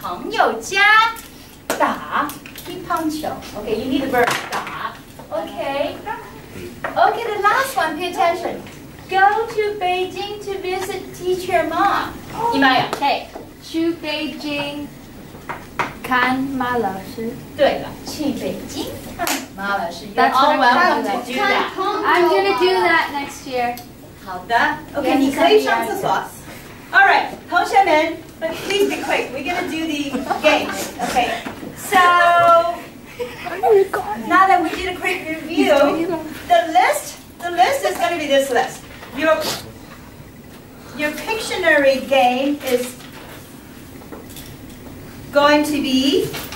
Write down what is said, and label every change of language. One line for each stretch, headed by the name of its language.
Chinese: 我可以下去吗？等一等。在朋友家打乒乓球
English: Okay, you need a verb 打 Okay. Okay, the last one, pay attention. Go to Beijing to visit teacher mom. Oh. 伊玛雅, hey.
Chinese: 去北京看马老师。对了，去北京看马老师。
English: You're all welcome to do that. I'm going to do that next year.
Chinese: 好的, okay, yes, 你可以上厕所。
English: All right,
Chinese: 同学们,
English: but please be quick. We're going to do the game, okay? So, now that we did a quick review, the list is going to be this list. Your Pictionary game is going to be